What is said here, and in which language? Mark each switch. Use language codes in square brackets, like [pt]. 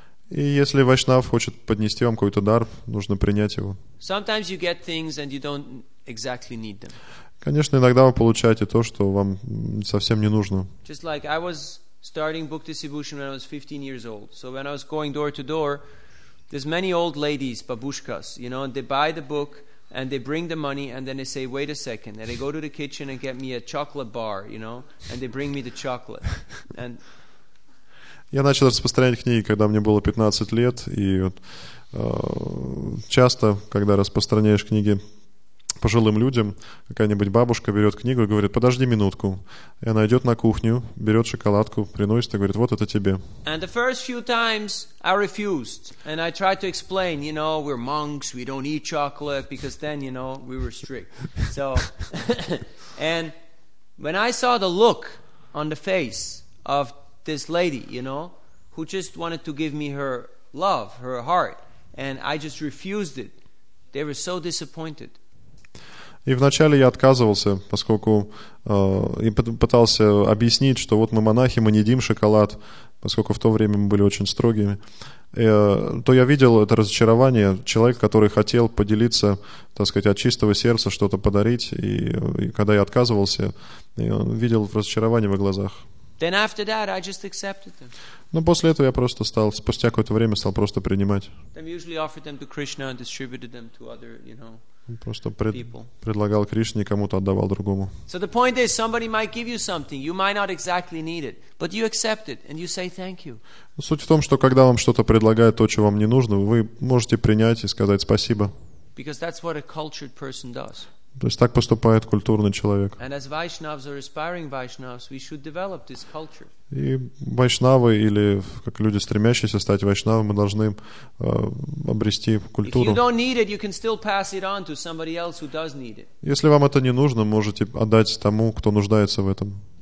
[ru] И если Вайшнав хочет поднести вам какой-то дар, нужно принять его. [en] Sometimes you get things and you don't exactly need them. [ru] Конечно, иногда вы получаете то, что вам совсем не нужно. [en] Just like I was starting book distribution when I was 15 years old. So when I was going door to door, there's many old ladies, babushkas, you know, and they buy the book and they bring the money and then they say, wait a second. And they go to the kitchen and get me a chocolate bar, you know, and they bring me the chocolate. And [ru] я начал распространять книги, когда мне было 15 лет, и вот, часто, когда распространяешь книги пожилым людям, какая-нибудь бабушка берет книгу и говорит, подожди минутку. И она идет на кухню, берет шоколадку, приносит и говорит, вот это тебе. [en] And the first few times I refused. And I tried to explain, you know, we're monks, we don't eat chocolate, because then, you know, we were strict. So, and when I saw the look on the face of this lady, you know, who just wanted to give me her love, her heart, and I just refused it, they were so disappointed. [ru] И вначале я отказывался, поскольку и пытался объяснить, что вот мы монахи, мы не едим шоколад, поскольку в то время мы были очень строгими. То я видел это разочарование человека, который хотел поделиться, так сказать, от чистого сердца что-то подарить. И когда я отказывался, я видел разочарование в глазах. [en] Then after that, I just accepted them. [ru] Но после этого я просто стал, спустя какое-то время, стал просто принимать. [en] Then usually offered them to Krishna and distributed them to other, you know. [ru] Просто предлагал Кришне, кому-то отдавал другому. [en] So the point is, somebody might give you something, you might not exactly need it, but you accept it and you say thank you. [ru] Суть в том, что когда вам что-то предлагают, то, чего вам не нужно, вы можете принять и сказать спасибо. [en] Because that's what a cultured person does. [ru] То есть так поступает культурный человек. [en] And as Vaishnavas or aspiring Vaishnavas, we should develop this culture. [ru] И Вайшнавы, или как люди, стремящиеся стать Вайшнавы, мы должны обрести культуру. Если вам это не нужно, можете отдать тому, кто нуждается в этом.